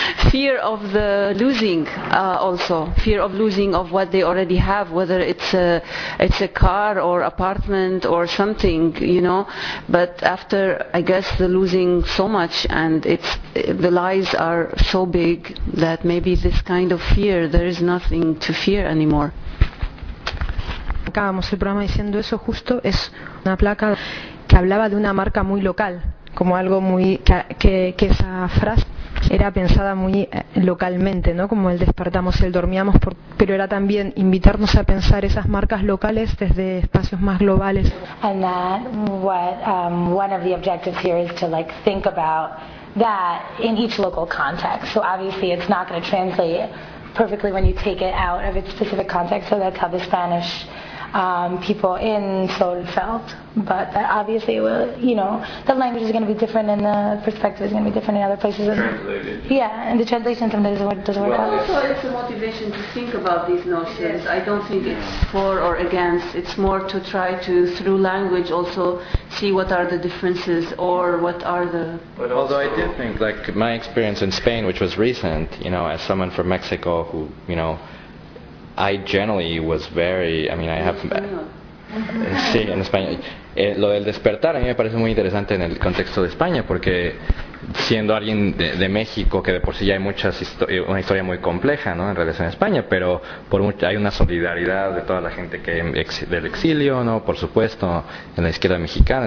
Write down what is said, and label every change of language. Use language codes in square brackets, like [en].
[en] fear of the losing, also fear of losing of what they already have, whether it's a car or apartment or something, you know. But after, I guess, the losing so much, and it's the lies are so big, that maybe this kind of fear, there is nothing to fear anymore. [es] Acabamos el programa diciendo eso justo, es una placa que hablaba de una marca muy local, como algo muy que esa frase era pensada muy localmente, ¿no? Como el despertamos y el dormíamos, pero era también invitarnos a pensar esas marcas locales desde espacios más globales. [en] And that what one of the objectives here is to like think about that in each local context. So obviously it's not going to translate perfectly when you take it out of its specific context. So that's how the Spanish people in Seoul felt, but that obviously, will, you know, the language is going to be different and the perspective is going to be different in other places. Translated. Yeah, and the translation sometimes doesn't work out. Well, also it's a motivation to think about these notions. I don't think it's for or against. It's more to try to, through language, also see what are the differences or what are the... But although I did think, like, my experience in Spain, which was recent, you know, as someone from Mexico who, you know, I generally was very, I mean, I have... [es] Sí, en España. Lo del despertar a mí me parece muy interesante en el contexto de España, porque siendo alguien de México, que de por sí ya hay muchas una historia muy compleja, ¿no?, en relación a España, pero por hay una solidaridad de toda la gente que del exilio, ¿no?, por supuesto, en la izquierda mexicana.